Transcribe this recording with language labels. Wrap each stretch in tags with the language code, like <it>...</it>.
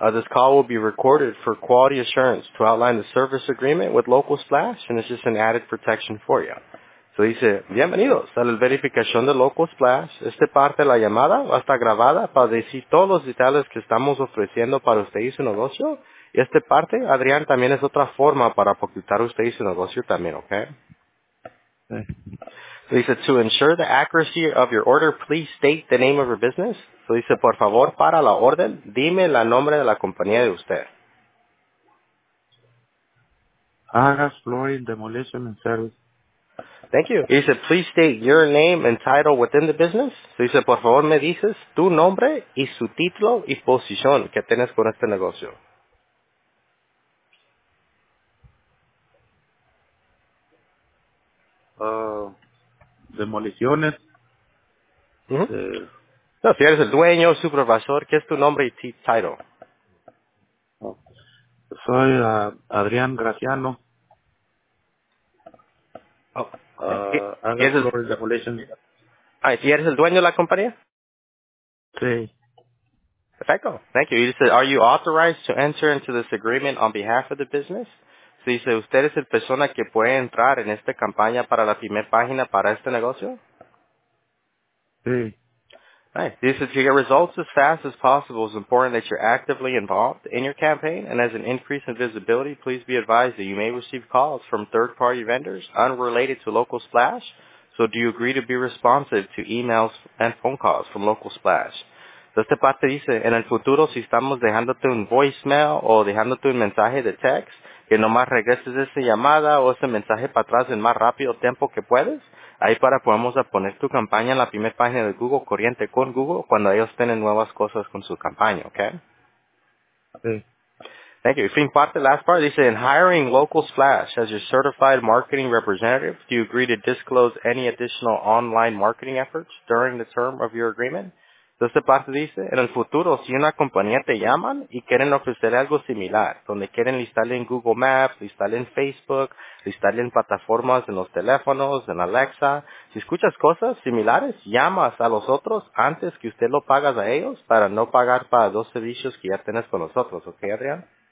<en>This call will be recorded for quality assurance to outline the service agreement with Local Splash, and it's just an added protection for you.</en> <es>So dice, bienvenidos a la verificación de Local Splash. Esta parte de la llamada va a estar grabada para decir todos los detalles que estamos ofreciendo para usted y su negocio. Y esta parte, Adrián, también es otra forma para facilitar usted y su negocio también, ¿ok? So dice,</es> <en>to ensure the accuracy of your order, please state the name of your business.</en> <es>So dice, por favor, para la orden, dime el nombre de la compañía de usted.</es> <en>Agas Flooring Demolition and Service. Thank you.</en> <es>Dice,</es> <en>please state your name and title within the business.</en> <es>So dice, por favor, me dices tu nombre y su título y posición que tienes con este negocio. Demoliciones. No, si eres el dueño, supervisor, ¿qué es tu nombre y title? Soy Adrián Graciano. Si eres el dueño de la compañía. Sí. Perfecto.</es> <en>Thank you. You said, are you authorized to enter into this agreement on behalf of the business?</en> <es>Sí, dice, ¿usted es el persona que puede entrar en esta campaña para la primera página para este negocio? Sí.</es> <en>Right.</en> <es>Dice,</es> <en>to get results as fast as possible, it's important that you're actively involved in your campaign, and as an increase in visibility, please be advised that you may receive calls from third-party vendors unrelated to Local Splash, so do you agree to be responsive to emails and phone calls from Local Splash?</en> <es>Entonces, esta parte dice, en el futuro, si estamos dejándote un voicemail o dejándote un mensaje de text, que nomás regreses esa llamada o ese mensaje para atrás en más rápido tiempo que puedes, ahí para podemos poner tu campaña en la primera página de Google, corriente con Google, cuando ellos tienen nuevas cosas con su campaña, ¿ok? Sí.</es> <en>Thank you.</en> <es>Fin parte,</es> <en>last part,</en> <es>dice,</es> <en>in hiring Local Splash as your certified marketing representative, do you agree to disclose any additional online marketing efforts during the term of your agreement?</en> <es>Entonces, parte dice, en el futuro, si una compañía te llaman y quieren ofrecerle algo similar, donde quieren listarle en Google Maps, listarle en Facebook, listarle en plataformas, en los teléfonos, en Alexa, si escuchas cosas similares, llamas a los otros antes que usted lo pagas a ellos para no pagar para dos servicios que ya tienes con nosotros, ¿ok, Adrián?</es>